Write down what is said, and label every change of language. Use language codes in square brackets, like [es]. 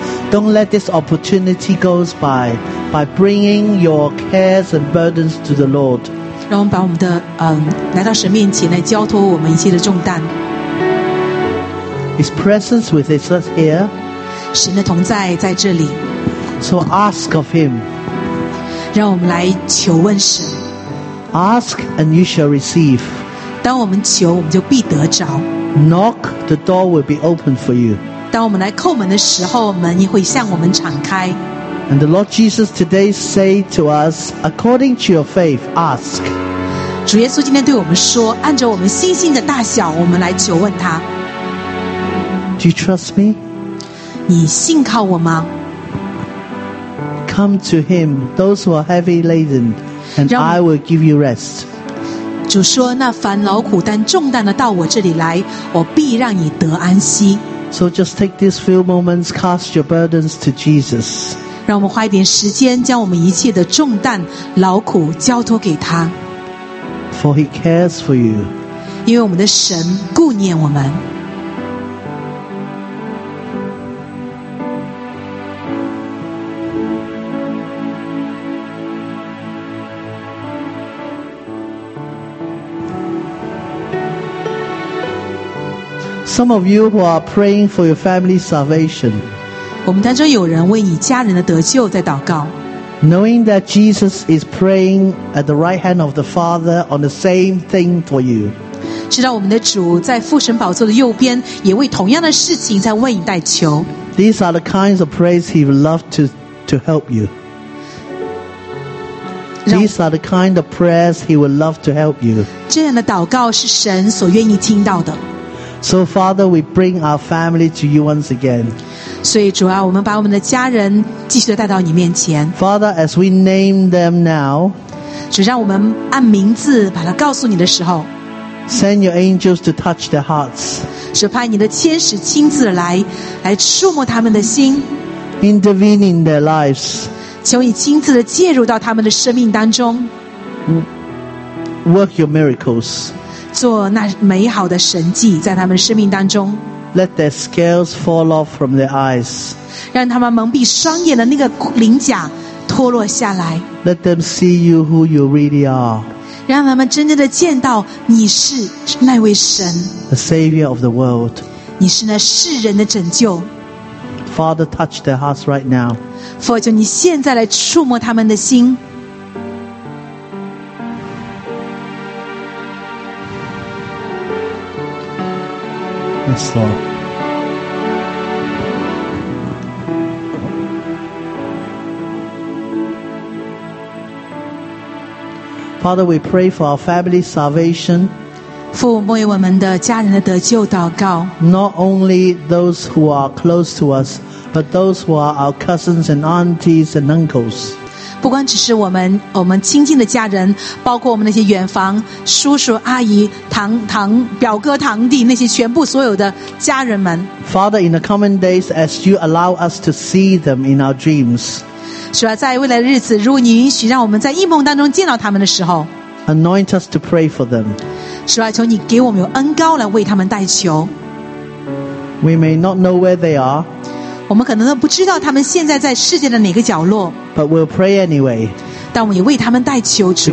[en] Don't let this opportunity go by bringing your cares and burdens to the Lord. [zh] 让我们把我们的来到神面前来交托我们一切的重担。 [en] His presence with us here. [zh] 神的同在在这里。 [en] So ask of Him. [zh] 让我们来求问神。 [en] Ask and you shall receive. [zh] 当我们求，我们就必得着。 [en] Knock, the door will be open for you. [zh] 当我们来叩门的时候，门也会向我们敞开。 [en] And the Lord Jesus today say to us, according to your faith, ask. [zh] 主耶稣今天对我们说，按着我们信心的大小，我们来求问他。 [en] Do you trust me? [zh] 你信靠我吗？ [en] Come to Him, those who are heavy laden, and I will give you rest. [zh] 主说那烦劳苦担重担的到我这里来，我必让你得安息。 [en] So just take these few moments, cast your burdens to Jesus. [zh] 让我们花一点时间将我们一切的重担劳苦交托给他。 [en] For he cares for you. [zh] 因为我们的神顾念我们。 [en] Some of you who are praying for your family's salvation. [zh] 我们当中有人为你家人的得救在祷告。 [en] Knowing that Jesus is praying at the right hand of the Father on the same thing for you. [zh] 知道我们的主在父神宝座的右边，也为同样的事情在为你代求。 [en] These are the kinds of prayers He would love to help you. These are the kind of prayers He would love to help you. [zh] 这样的祷告是神所愿意听到的。 [en] So Father, we bring our family to you once again. [zh] 所以主啊，我们把我们的家人继续带到你面前。 [en] Father, as we name them now, [zh] 主让我们按名字把它告诉你的时候， [en] send your angels to touch their hearts. [zh] 主派你的天使亲自来触摸他们的心， [en] intervene in their lives. [zh] 求你亲自的介入到他们的生命当中， [en] work your miracles. [zh] 做那美好的神迹在他们生命当中。 [en] Let their scales fall off from their eyes. [zh] 让他们蒙蔽双眼的那个鳞甲脱落下来。 [en] Let them see you who you really are. [zh] 让他们真正的见到你是那位神。 [en] The Savior of the world. [zh] 你是那世人的拯救。 [en] Father, touch their hearts right now. [zh] 父就你现在来触摸他们的心。 [en] Yes, Lord. Father, we pray for our family's salvation. [zh] 父为我们的家人的得救祷告。 [en] Not only those who are close to us, but those who are our cousins and aunties and uncles. [zh] 不光只是我们亲近的家人，包括我们那些远房叔叔阿姨、堂表哥堂弟，那些全部所有的家人们。 [en] Father, in the coming days, as you allow us to see them in our dreams, [zh] 主啊，在未来的日子，如果你允许让我们在异梦当中见到他们的时候 [en] ，Anoint us to pray for them. [zh] 主啊，求你给我们有恩膏来为他们代求。 [en] We may not know where they are. [zh] 我们可能都不知道他们现在在世界的哪个角落。 [en] But we'll pray anyway. [zh] 但我们也为他们代求主。